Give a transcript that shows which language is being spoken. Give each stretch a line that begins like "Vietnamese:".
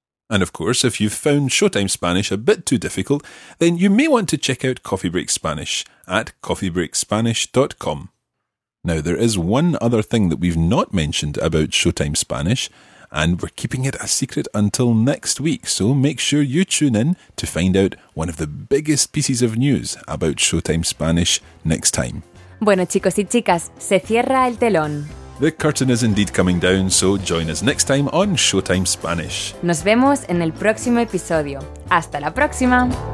English: And of course, if you've found Showtime Spanish a bit too difficult, then you may want to check out Coffee Break Spanish at coffeebreakspanish.com. Now, there is one other thing that we've not mentioned about Showtime Spanish, and we're keeping it a secret until next week, so make sure you tune in to find out one of the biggest pieces of news about Showtime Spanish next time.
Spanish: Bueno, chicos y chicas, se cierra el telón.
English: The curtain is indeed coming down, so join us next time on Showtime Spanish.
Spanish: Nos vemos en el próximo episodio. ¡Hasta la próxima!